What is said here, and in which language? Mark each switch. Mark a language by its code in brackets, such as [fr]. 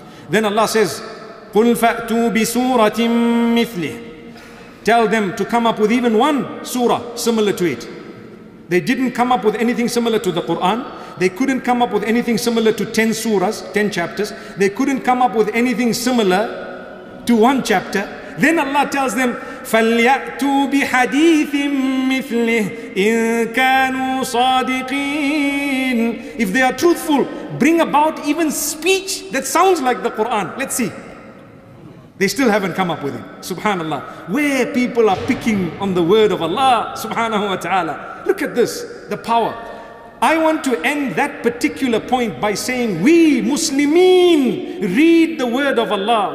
[en] Then Allah says, [ar] Qul fa'tu bi suratin mithlih. [en] Tell them to come up with even one surah similar to it. They didn't come up with anything similar to the Quran. They couldn't come up with anything similar to 10 surahs, 10 chapters. They couldn't come up with anything similar to one chapter. Then Allah tells them, [ar] فَلْيَأْتُوا بِحَدِيثٍ مِثْلِهِ إِن كَانُوا صَادِقِينَ. [en] If they are truthful, bring about even speech that sounds like the Quran. Let's see. They still haven't come up with it. Subhanallah. Where people are picking on the word of Allah, subhanahu wa ta'ala. Look at this, the power. I want to end that particular point by saying, we Muslimin read the word of Allah.